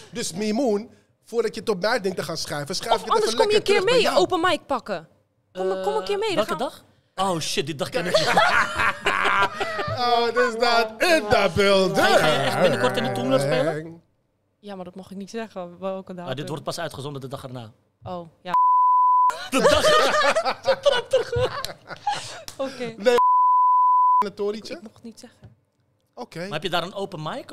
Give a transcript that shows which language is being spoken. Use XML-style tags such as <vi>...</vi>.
<nl>Dus Mimoun, voordat je het op mij denkt te gaan schrijven, schrijf of het even lekker terug. Anders kom je een keer mee, open mic pakken. Kom een keer mee. Welke dag? Oh shit, die dag ken ik.</nl> <en>Oh, this is not in the building.</en> <nl>Ga je echt binnenkort in de Toemler spelen? Ja, maar dat mag ik niet zeggen. Welke datum? Dit wordt pas uitgezonden de dag erna. Oh, ja. De dag erna. Ze trapt er gewoon. Oké. Nee, een torietje. Ik mocht niet zeggen. Oké. Maar heb je daar een open mic?</nl>